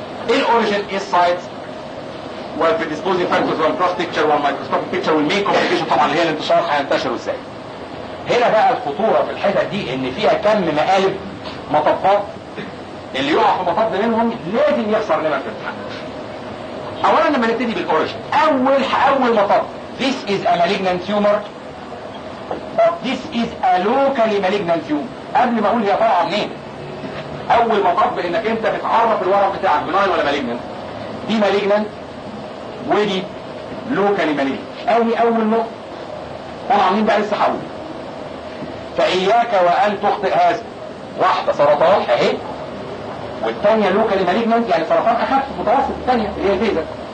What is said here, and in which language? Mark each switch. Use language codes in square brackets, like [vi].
[ar] الاوريجن ايه السايتس؟ والبريديسبوزنج فاكتورز والجروس بيكتشر والمايكروسكوبيك بيكتشر والمين كومبليكيشن طبعا اللي هي الانتشار هينتشر ازاي. هنا بقى الخطوره في الحته دي ان فيها كم مقالب مطبات اللي يقع في مطب منهم لازم يخسر لنا في الامتحان. اولا لما نبتدي بالاوريجن اول مطب [en] this is a malignant tumor [ar] this is a locally malignant tumor. قبل ما اقول هي طالعه منين اول مطب انك انت بتعرف الورم بتاعك بنايل ولا malignant دي malignant ودي locally malignant اول نقطه طالعه منين بقى لسه حول. فاياك وان تخطئ هذا واحدة سرطان اهي والتانية لوكالي مالجمنت يعني سرطان اخف متوسط التانية اللي هي الفيزا.